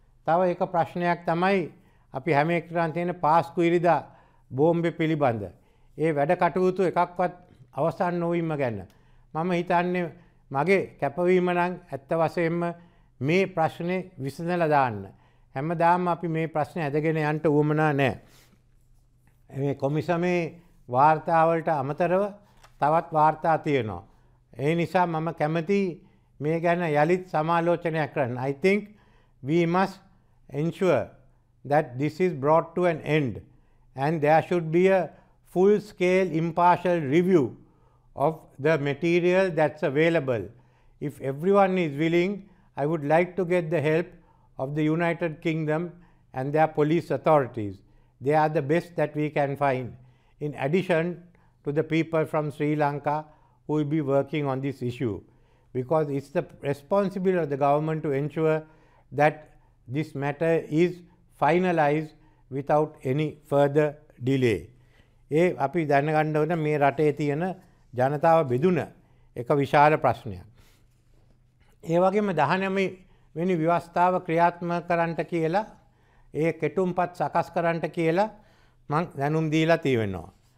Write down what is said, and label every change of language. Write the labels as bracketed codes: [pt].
[si] තව එක ප්‍රශ්නයක් තමයි අපි හැම එක්කරන් තියෙන පාස්කු ඉරිදා බෝම්බ පිළිබඳ ඒ වැඩ කටයුතු එකක්වත් අවසන් නොවීම ගැන මම හිතන්නේ මගේ කැපවීම නම් ඇත්ත වශයෙන්ම මේ ප්‍රශ්නේ විසඳලා දාන්න. හැමදාම අපි මේ ප්‍රශ්නේ ඇදගෙන යන්න උවමනා නැහැ. මේ කොමිසමේ වාර්තාවලට අමතරව තවත් වාර්තා තියෙනවා. ඒ නිසා මම කැමති මේ ගැන යලිත් සමාලෝචනයක් කරන්න. [en] I think we must ensure that this is brought to an end and there should be a full scale impartial review of the material that's available. If everyone is willing, I would like to get the help of the United Kingdom and their police authorities. They are the best that we can find, in addition to the people from Sri Lanka who will be working on this issue, because it's the responsibility of the government to ensure that this matter is finalized without any further delay. [si] ඒ අපි දැනගන්න ඕන මේ රටේ තියෙන ජනතාව බෙදුන එක විශාල ප්‍රශ්නයක්. ඒ වගේම 19 වෙනි ව්‍යවස්ථාව ක්‍රියාත්මක කරන්නට කියලා ඒ කෙටුම්පත් සකස් කරන්නට කියලා මං දැනුම් දීලා තියෙනවා.